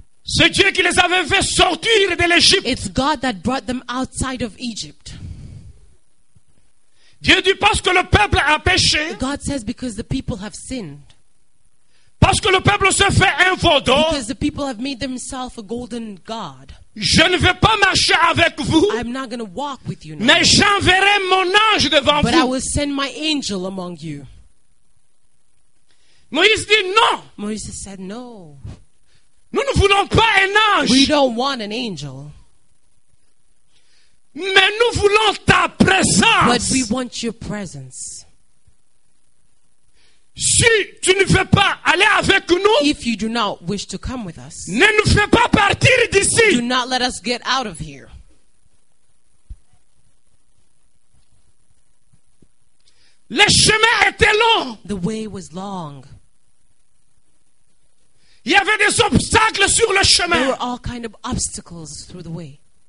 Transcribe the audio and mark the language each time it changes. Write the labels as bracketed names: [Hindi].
[French] C'est Dieu qui les avait fait sortir de l'Égypte. [English] It's God that brought them outside of Egypt. [French] Dieu dit parce que le peuple a péché. [English] God says because the people have sinned. [French] Parce que le peuple s'est fait un veau d'or. [English] Because the people have made themselves a golden god. [French] Je ne vais pas marcher avec vous. [English] I'm not going to walk with you now. [French] Mais j'enverrai mon ange devant [English] but [French] vous. [English] But I will send my angel among you. [French] Moïse dit non. [English] Moses said no. [French] Nous ne voulons pas un ange. [English] We don't want an angel. [French] Mais nous voulons ta présence. [English] But we want your presence. [French] Si tu ne veux pas aller avec nous. [English] If you do not wish to come with us. [French] Ne nous fais pas partir d'ici. [English] Do not let us get out of here. [French] Le chemin était long. [English] The way was long. [French] Il y avait des obstacles sur le chemin. [English] There were all kind of obstacles through the way.